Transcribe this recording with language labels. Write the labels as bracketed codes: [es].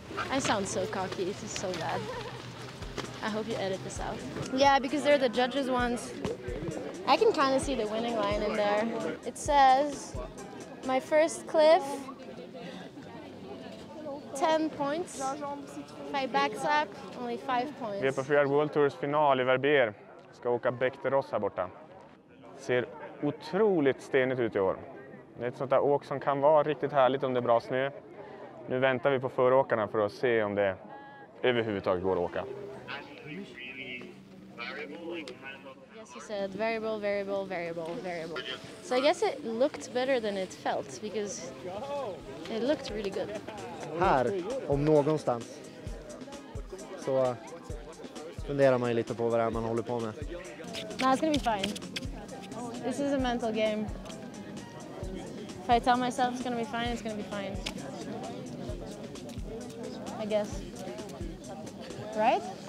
[en] I sound so cocky, this is so bad. I hope you edit this out. Yeah, because they're the judges' ones. I can kind of see the winning line in there. It says, my first cliff, 10 points. If I backs up, only 5 points. [sv] Vi är på Freeride World Tours final i Verbier. Ska åka Bäckterås här borta. Ser otroligt stenigt ut i år. Det är ett sånt där åk som kan vara riktigt härligt om det är bra snö. Nu väntar vi på föråkarna för att se om det överhuvudtaget går att åka. [en] Yes, you said variable, variable, variable, variable. So I guess it looked better than it felt because it looked really good. [sv] Här, om någonstans, så funderar man ju lite på vad det är man håller på med. [en] Nah, it's gonna be fine. This is a mental game. If I tell myself it's gonna be fine, it's gonna be fine. I guess. Right?